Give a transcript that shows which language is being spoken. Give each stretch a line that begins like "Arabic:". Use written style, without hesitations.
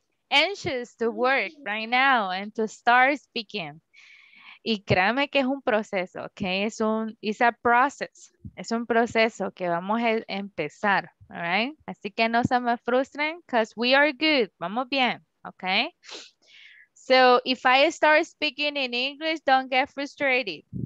English: anxious to work right now and to start speaking.
Spanish: Y créanme que es un proceso, ¿ok?
English: It's a process.
Spanish: Es un proceso que vamos a empezar,
English: all right?
Spanish: Así que no se me frustren,
English: because we are good.
Spanish: Vamos bien, ¿ok?
English: So, if I start speaking in English, don't get frustrated.